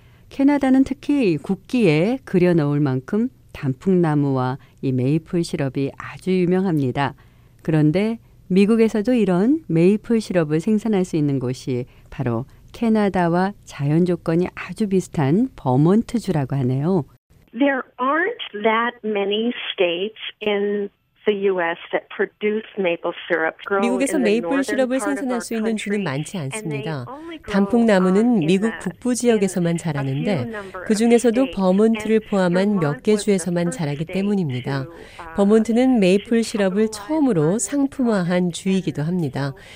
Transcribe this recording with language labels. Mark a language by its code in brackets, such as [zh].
[ko] 캐나다는 특히 국기에 그려 넣을 만큼 단풍나무와 이 메이플 시럽이 아주 유명합니다. 그런데 미국에서도 이런 메이플 시럽을 생산할 수 있는 곳이 바로 캐나다와 자연 조건이 아주 비슷한 버몬트주라고 하네요. [en] There aren't that many states in the U.S. that produce maple syrup. [ko] 미국에서 메이플 시럽을 생산할 수 있는 주는 많지 않습니다. 단풍나무는 미국 북부 지역에서만 자라는데 그 중에서도 버몬트를 포함한 몇 개 주에서만 자라기 때문입니다. 버몬트는 메이플 시럽을 처음으로 상품화한 주이기도 합니다.